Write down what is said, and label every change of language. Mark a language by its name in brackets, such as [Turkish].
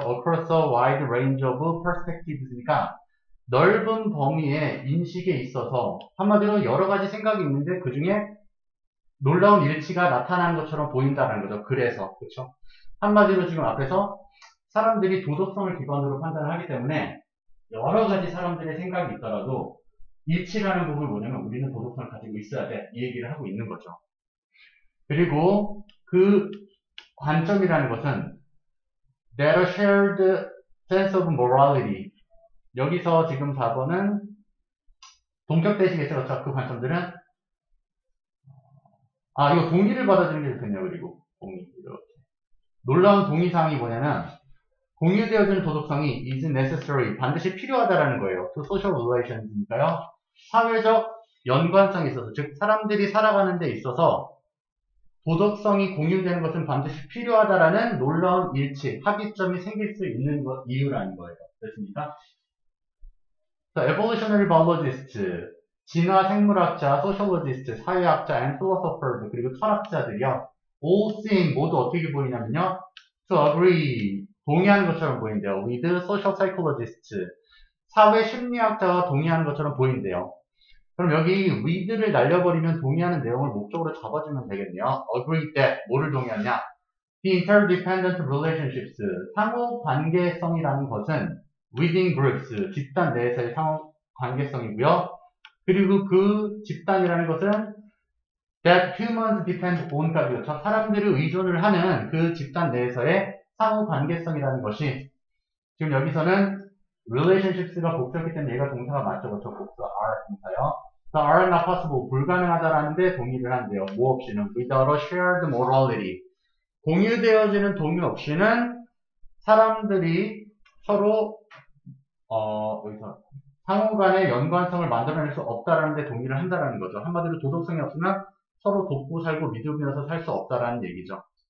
[Korean] Across a wide range of perspectives 니까 넓은 범위의 인식에 있어서 한마디로 여러 가지 생각이 있는데 그중에 놀라운 일치가 나타나는 것처럼 보인다는 거죠. 그래서, 그렇죠? 한마디로 지금 앞에서 사람들이 도덕성을 기반으로 판단을 하기 때문에 여러 가지 사람들의 생각이 있더라도 일치라는 부분을 뭐냐면 우리는 도덕성을 가지고 있어야 돼. 이 얘기를 하고 있는 거죠. 그리고 그 관점이라는 것은 that a shared sense of morality. 여기서 지금 4번은 동격 대시겠죠. 그렇죠? 그 관점들은 아, 이거 동의를 받아들이는 게 좋겠네요, 그리고. 동의, 이렇게. 놀라운 동의사항이 뭐냐면, 공유되어지는 도덕성이 is necessary, 반드시 필요하다라는 거예요. To social relations 니까요. 사회적 연관성이 있어서, 즉 사람들이 살아가는 데 있어서 도덕성이 공유되는 것은 반드시 필요하다라는 놀라운 일치, 합의점이 생길 수 있는 것, 이유라는 거예요. 됐습니까? [English] The evolutionary biologist, 진화 생물학자, sociologist, 사회학자, and philosopher, 그리고 철학자들이요. [Korean] All seeing, 모두 어떻게 보이냐면요. To agree, 동의하는 것처럼 보인대요. With social psychologist, 사회 심리학자가 동의하는 것처럼 보인대요. 그럼 여기 with를 날려버리면 동의하는 내용을 목적으로 잡아주면 되겠네요. Agree that, 뭐를 동의하냐? The interdependent relationships, 상호 관계성이라는 것은 within groups, 집단 내에서의 상호 관계성이고요. 그리고 그 집단이라는 것은 that humans depend on, 그러니까 사람들이 의존을 하는 그 집단 내에서의 상호 관계성이라는 것이, 지금 여기서는 relationships가 복수였기 때문에 얘가 동사가 맞죠. 그렇죠. 복수 are 동사요. [English] The are not possible, 불가능하다라는데 동의를 한대요. [Korean] 뭐 없이는, without a shared morality, 공유되어지는 동의 없이는 사람들이 서로 여기서 상호간의 연관성을 만들어낼 수 없다라는 데 동의를 한다라는 거죠. 한마디로 도덕성이 없으면 서로 돕고 살고 믿음이어서 살수 없다라는 얘기죠.